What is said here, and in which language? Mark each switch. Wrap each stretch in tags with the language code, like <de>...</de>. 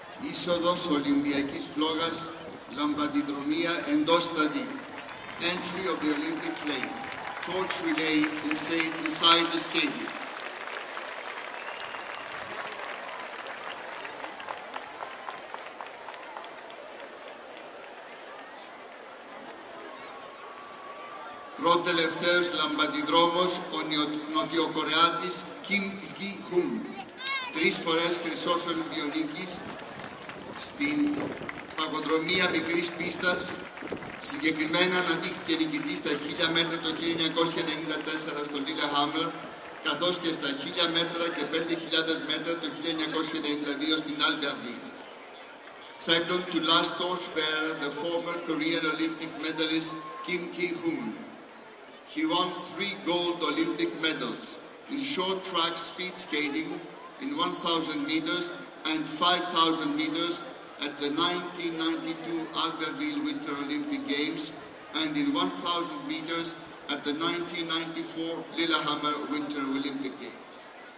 <el>Είσοδος Ολυμπιακής Φλόγας Λαμπαδιδρομία Εντόσταδη.</el> <en>Entry of the Olympic flame. Torch relay inside the stadium.</en> <el>Πρώτο-τελευταίος λαμπαδιδρόμος ο Νοτιοκορεάτης Κιμ Κι Χουν. Τρεις φορές χρυσός Ολυμπιονίκης στην παγκοδρομία μικρής πίστας, συγκεκριμένα αναδείχθηκε νικητής στα 1000 μέτρα το 1994 στο Lillehammer, καθώς και στα 1000 μέτρα και 5000 μέτρα το 1992 στην Albertville.</el> <en>Second to last torch bearer, the former Korean Olympic medalist Kim Ki-hoon. He won 3 gold Olympic medals in short track speed skating in 1000 meters and 5,000 meters at the 1992 Albertville Winter Olympic Games and in 1,000 meters at the 1994 Lillehammer Winter Olympic Games.</en>